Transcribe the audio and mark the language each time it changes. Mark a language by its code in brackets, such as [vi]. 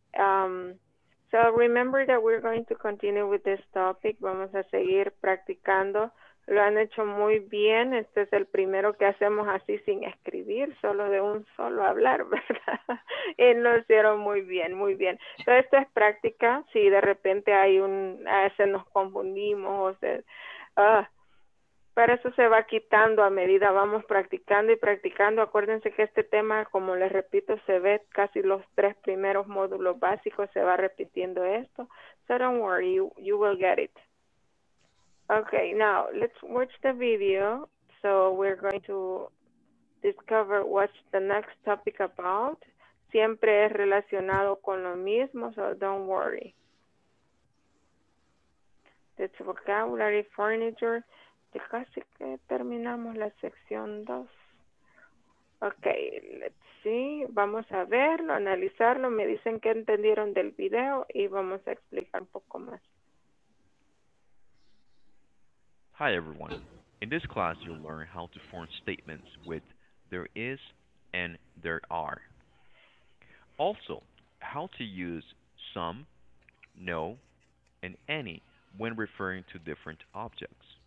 [en] So remember that we're going to continue with this topic. [es] Vamos a seguir practicando. Lo han hecho muy bien. Este es el primero que hacemos así sin escribir, solo de un solo hablar, ¿verdad? Y lo hicieron muy bien, muy bien. Entonces, esto es práctica. Si de repente hay un, a veces nos confundimos, o sea, pero eso se va quitando a medida vamos practicando y practicando. Acuérdense que este tema, como les repito, se ve casi los tres primeros módulos básicos, se va repitiendo esto. [en] So don't worry, you will get it. Okay, now let's watch the video. So we're going to discover what's the next topic about. [es] Siempre es relacionado con lo mismo, [en] so don't worry. It's vocabulary, furniture. [es] Ya casi que terminamos la sección 2. [en] Okay, let's see. [es] Vamos a verlo, analizarlo. Me dicen qué entendieron del video y vamos a explicar un poco más. [en] Hi everyone. In this class, you'll learn how to form statements with there is and there are. Also, how to use some, no, and any when referring to different objects.